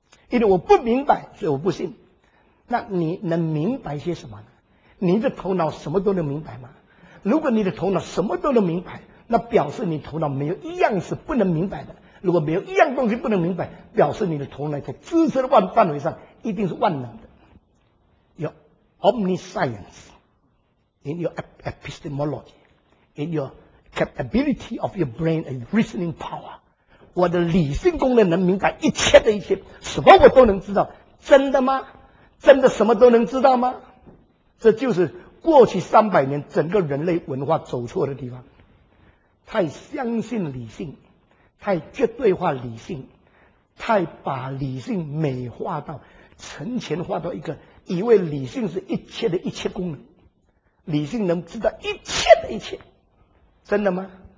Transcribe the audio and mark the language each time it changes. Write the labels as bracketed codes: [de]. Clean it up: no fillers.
[zh] 因为我不明白，所以我不信。那你能明白些什么呢？你的头脑什么都能明白吗？如果你的头脑什么都能明白，那表示你头脑没有一样是不能明白的。如果没有一样东西不能明白，表示你的头脑在知识的范围上一定是万能的。有 [en] omniscience in your epistemology, in your capability of your brain and reasoning power. [zh] 我的理性功能能明白一切的一切，什么我都能知道。真的吗？真的什么都能知道吗？这就是过去300年整个人类文化走错的地方。太相信理性，太绝对化理性，太把理性美化到成全化到一个以为理性是一切的一切功能，理性能知道一切的一切。真的吗？